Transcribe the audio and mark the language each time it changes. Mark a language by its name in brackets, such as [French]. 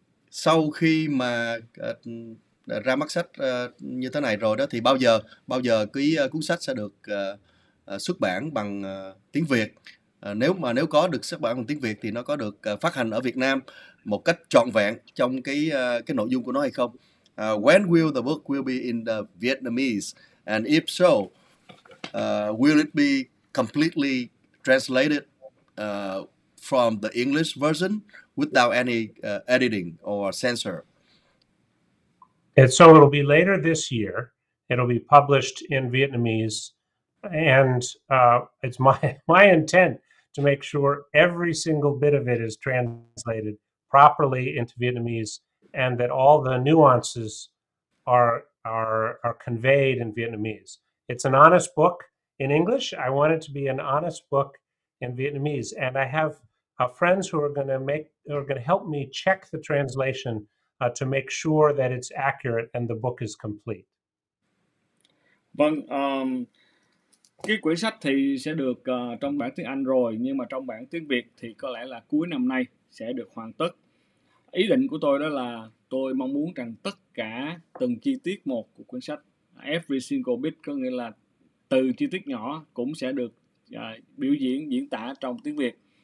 [Vietnamese] Sau khi mà ra mắt sách như thế này rồi đó, thì bao giờ cái cuốn sách sẽ được xuất bản bằng tiếng Việt? Nếu có được xuất bản bằng tiếng Việt thì nó có được phát hành ở Việt Nam một cách trọn vẹn trong cái nội dung của nó hay không? [English] When will the book will be in the Vietnamese? And if so, will it be completely translated from the English version without any editing or censor? And so it'll be later this year. It'll be published in Vietnamese. And it's my intent to make sure every single bit of it is translated properly into Vietnamese, and that all the nuances are conveyed in Vietnamese. It's an honest book in English. I want it to be an honest book in Vietnamese. And I have friends who are going to help me check the translation to make sure that it's accurate and the book is complete. [Vietnamese] Vâng, cái quyển sách thì sẽ được trong bản tiếng Anh rồi, nhưng mà trong bản tiếng Việt thì có lẽ là cuối năm nay sẽ được hoàn tất. Ý định của tôi đó là tôi mong muốn rằng tất cả từng chi tiết một của quyển sách, [English] every single bit, [Vietnamese] có nghĩa là từ chi tiết nhỏ cũng sẽ được biểu diễn, diễn tả trong tiếng Việt.